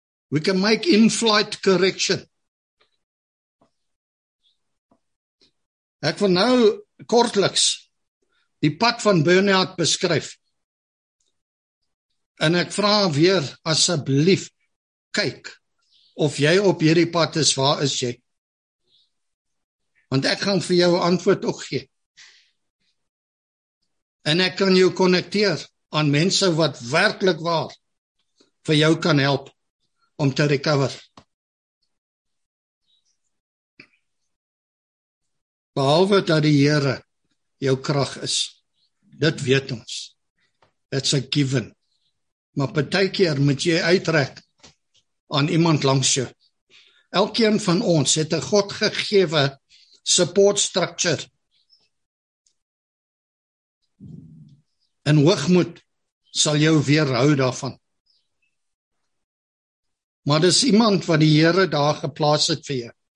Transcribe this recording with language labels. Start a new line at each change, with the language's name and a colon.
English: We can make in-flight correction.
Afrikaans: Ek wil nou kortliks die pad van burn-out beskryf. En ek vraag weer, asseblief, kyk of jy op hierdie pad is, waar is jy? Want ek gaan vir jou antwoord ook gee. En ek kan jou connecteer aan mense wat werklik waar vir jou kan help om te recover. Behalwe dat die Here jou krag is, dit weet ons.
English: It's a given.
Afrikaans: Maar partykeer moet jy uitrek aan iemand langs jou. Elkeen van ons het 'n God gegewe support structure. En hoogmoed sal jou weerhou daarvan. Maar dis iemand wat die Here daar geplaas het vir jou.